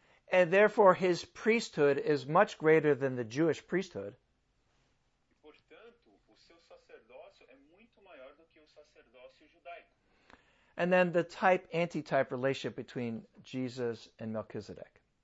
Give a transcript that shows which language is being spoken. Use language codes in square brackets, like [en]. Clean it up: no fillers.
[en] And therefore, his priesthood is much greater than the Jewish priesthood. [pt] E, portanto, o seu sacerdócio é muito maior do que o sacerdócio judaico. [en] And then the type-antitype relationship between Jesus and Melchizedek.